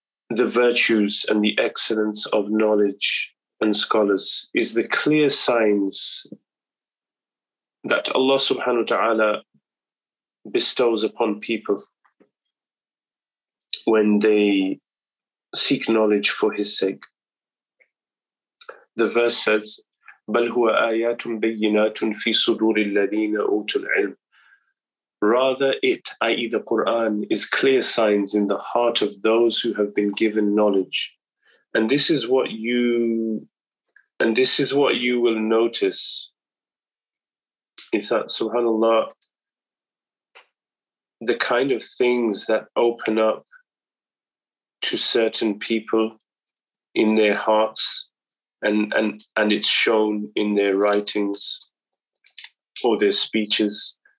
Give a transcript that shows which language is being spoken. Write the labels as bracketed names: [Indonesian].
[English] the virtues and the excellence of knowledge and scholars is the clear signs that Allah subhanahu wa ta'ala bestows upon people when they seek knowledge for his sake. The verse says, [Arabic] بَلْ هُوَ آيَاتٌ بَيِّنَاتٌ فِي صُدُورِ الَّذِينَ أُوتُوا الْعِلْمِ. [English] Rather it, i.e. the Qur'an, is clear signs in the heart of those who have been given knowledge. And this is what you, will notice, is that, subhanAllah, the kind of things that open up to certain people in their hearts and it's shown in their writings or their speeches.